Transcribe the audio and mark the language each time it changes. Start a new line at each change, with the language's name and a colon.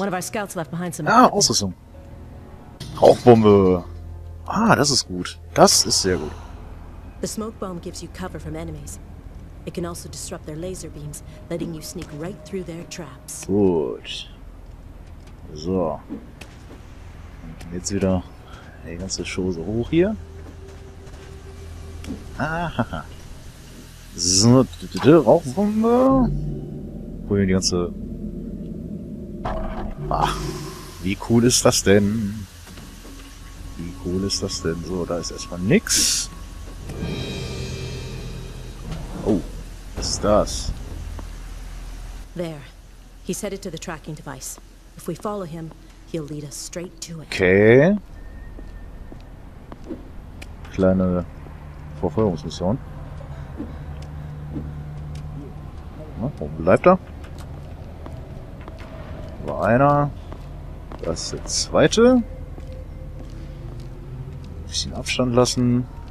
English: One of our scouts left behind some.
German: Ah, Ausrüstung. Rauchbombe. Ah, das ist gut. Das ist sehr gut.
English: The smoke bomb gives you cover from enemies. It can also disrupt their laser beams, letting you sneak right through their traps.
German: Gut. So. Und jetzt wieder die ganze Show so hoch hier. Ahaha. So, Rauchbombe. Holen wir die ganze. Ach, wie cool ist das denn? Wie cool ist das denn? So, da ist erstmal nix. Oh, was ist das?
English: There. He set it to the tracking device. If we follow him, he'll lead us straight to it. Okay.
German: Kleine Verfolgungsmission. Na, wo bleibt er? War einer. Das ist der zweite. Ein bisschen Abstand lassen.